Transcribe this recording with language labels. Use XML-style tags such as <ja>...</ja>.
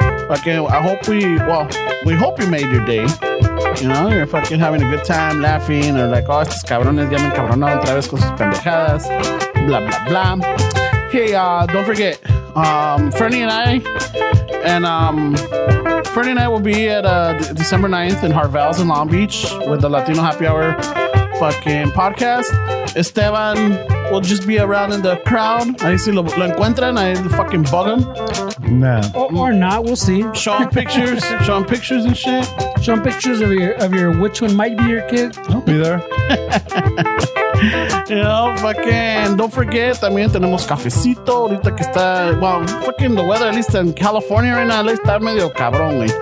<en>Okay, I hope we hope you made your day. You know, you're fucking having a good time laughing or like, oh,</en> <es>estos cabrones ya me encabronaron otra vez con sus pendejadas.</es> <en>Blah, blah, blah. Hey, don't forget, Fernie and I will be at December 9th in Harvell's in Long Beach with the Latino Happy Hour fucking podcast. Esteban will just be around in the crowd.</en> <es>Ahí si lo encuentran, ahí</es> <en>fucking bug him. Nah. Or not, we'll see. Show him pictures. Show him pictures and shit. Show him pictures of your which one might be your kid. I'll be there. You know, fucking, don't forget,</en> <es>también tenemos cafecito ahorita que está,</es> <en>well, fucking the weather, at least in California right now, at least</en> <es>está medio cabrón, güey.</es>